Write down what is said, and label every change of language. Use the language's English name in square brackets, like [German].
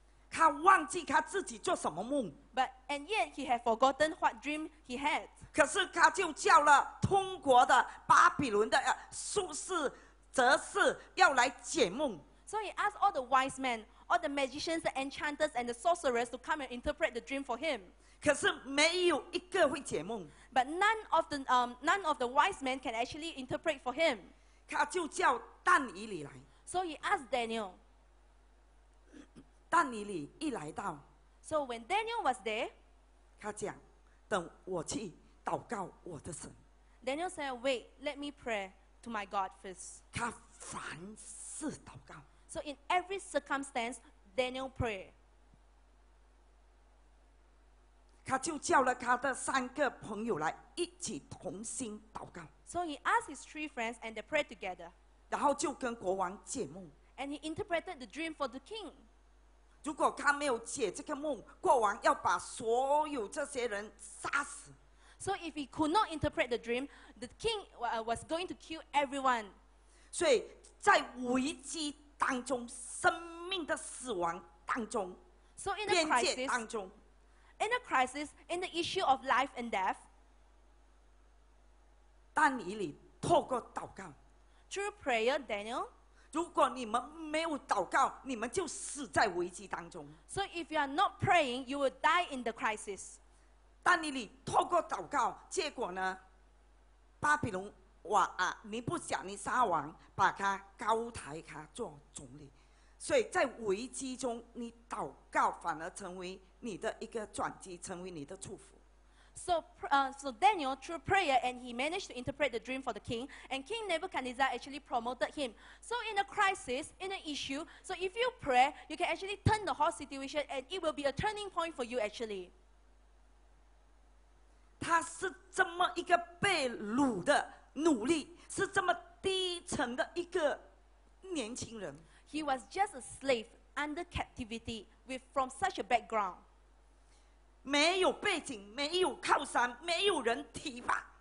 [Chinese] 他忘记他自己做什么梦。 [English] But and yet he had forgotten what dream he had. [Chinese] 可是他就叫了通国的巴比伦的术士。则是要来解梦。 [English] So he asked all the wise men, all the magicians, the enchanters, and the sorcerers to come and interpret the dream for him. [Chinese] 可是没有一个会解梦。 [English] But none of the wise men can actually interpret for him. [Chinese] 他就叫但以理来。 [English] So he asked Daniel. [Chinese] 但以理一来到。 [English] So when Daniel was there, [Chinese] 他讲，等我去祷告我的神。 [English] Daniel said, "Wait, let me pray." To my God first. [Chinese] 他凡事祷告。 [English] So in every circumstance, Daniel prayed. [Chinese] 他就叫了他的三个朋友来一起同心祷告。 [English] So he asked his three friends and they prayed together. [Chinese] 然后就跟国王解梦。 [English] And he interpreted the dream for the king. [Chinese] 如果他没有解这个梦，国王要把所有这些人杀死。 [English] So if he could not interpret the dream, the king was going to kill everyone. [Chinese] 所以在危机当中，生命的死亡当中，边界当中 [English] ，in a crisis, in the issue of life and death, [Chinese] 但以理透过祷告 [English] ，through prayer, Daniel. [Chinese] 如果你们没有祷告，你们就死在危机当中。 [English] So if you are not praying, you will die in the crisis. [Chinese] 但以理透过祷告，结果呢？巴比伦王啊，尼布甲尼撒王把他高抬，他做总理。所以在危机中，你祷告反而成为你的一个转机，成为你的祝福。 [English] So Daniel through prayer and he managed to interpret the dream for the king, and King Nebuchadnezzar actually promoted him. So in a crisis, in an issue, so if you pray, you can actually turn the whole situation, and it will be a turning point for you actually. [Chinese] 他是这么一个被掳的奴隶，是这么低层的一个年轻人。 [English] He was just a slave under captivity with from such a background. [Chinese] 没有背景，没有靠山，没有人提拔。